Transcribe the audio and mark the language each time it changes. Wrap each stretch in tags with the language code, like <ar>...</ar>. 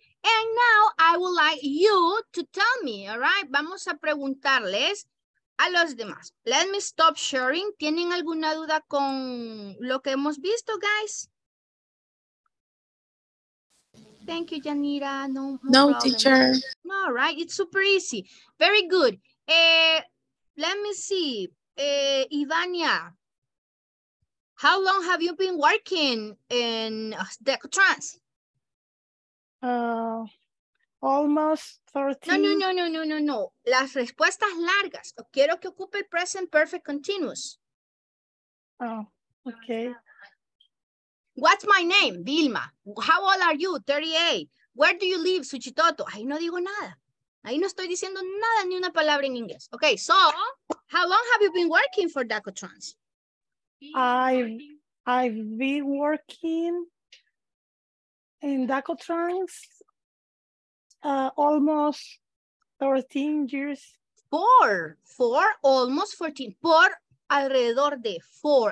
<en>And now I would like you to tell me, all right?</en> <es>Vamos a preguntarles a los demás.</es> <en>Let me stop sharing.</en> <es>¿Tienen alguna duda con lo que hemos visto, guys?</es> <en>Thank you, Yanira. No problem. Teacher. No, all right. It's super easy. Very good. Let me see. Ivania, how long have you been working in DecoTrans? Almost 13.</en> <es>No. Las respuestas largas. Quiero que ocupe el present perfect continuous.</es> <en>Oh, okay. What's my name? Vilma. How old are you? 38. Where do you live? Suchitoto.</en> <es>Ahí no digo nada. Ahí no estoy diciendo nada ni una palabra en inglés.</es> <en>Okay, so how long have you been working for DecoTrans? I've been working in DecoTrans almost 13 years.</en> <es>Por alrededor de</es> <en>four.</en>